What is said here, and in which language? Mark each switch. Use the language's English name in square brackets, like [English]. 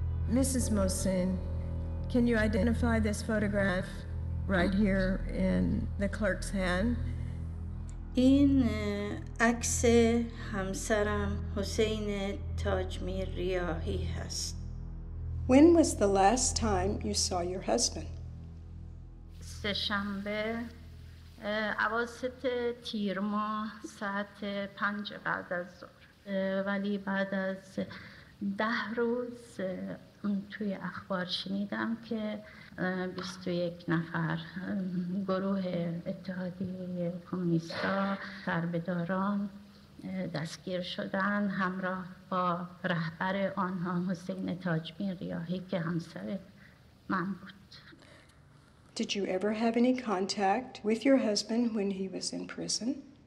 [English] Mrs. Mohsin, can you identify this photograph? right here in the clerk's hand. [Persian] این عکس همسرم حسین تاجمیر ریاهی هست. [English] When was the last time you saw your husband? [Persian] سه شنبه اواسط تیر ماه ساعت 5 بعد از ظهر. ولی بعد از 10 روز توی اخبار شنیدم که 21 نفر گروه اتحادیه کمونیستا سربه‌داران دستگیر شدن همراه با رهبر آنها حسین تاجمیر ریاهی که همسر من بود. [English] Did you ever have any contact with your husband when he was in prison?